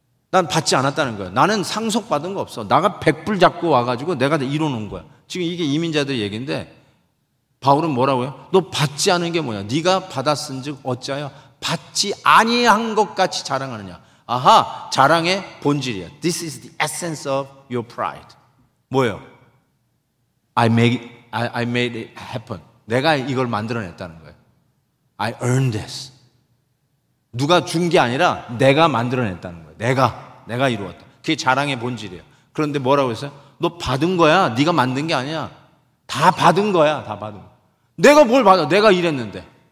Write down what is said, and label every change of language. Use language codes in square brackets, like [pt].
[ko] 난 받지 않았다는 거야. 나는 상속받은 거 없어. 나가 백불 잡고 와가지고 내가 이뤄놓은 거야. 지금 이게 이민자들 얘기인데 바울은 뭐라고요? 너 받지 않은 게 뭐냐. 네가 받았은 즉 어찌하여 받지 아니한 것 같이 자랑하느냐. 아하, 자랑의 본질이야. [en] This is the essence of your pride. [ko] 뭐예요? [en] I made it happen. [ko] 내가 이걸 만들어냈다는 거예요. [en] I earned this. [ko] 누가 준 게 아니라 내가 만들어냈다는 거예요. 내가 이루었다. 그게 자랑의 본질이에요. 그런데 뭐라고 했어요? 너 받은 거야. 네가 만든 게 아니야. 다 받은 거야. 다 받은 거야. 내가 뭘 받아. 내가 일했는데.